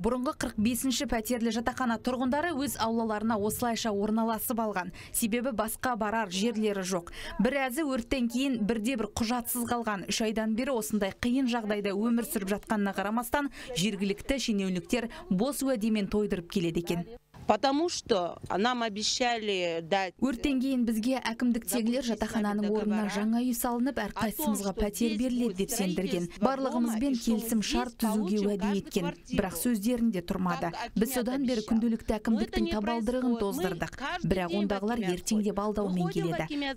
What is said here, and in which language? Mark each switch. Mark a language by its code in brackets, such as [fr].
[kk] Бұрынғы 45-ші пәтерлі жатақхана тұрғындары өз аулаларына осылайша орналасып алған. Себебі басқа барар жерлері жоқ. Біразы өрттен кейін бірде бір құжатсыз қалған. Үш айдан бері осындай қиын жағдайда өмір сүріп жатқанына қарамастан жергілікті шенеуніктер бос уәдемен тойдырып келеді екен. [ru] потому что нам обещали дать. [kk] Өртенген бізге әкімдіктегілер жатахананың орнына жаңа үй салынып, әрқайсымызға пәтер берледі деп сендірген. Барлығымызбен келісім шарт түзуге уәде еткен, бірақ сөздерінде тұрмады. Біз содан бері күнделікті әкімдіктің табалдырығын тоздырдық, бірақ ондағылар ертеңде балдаумен келеді.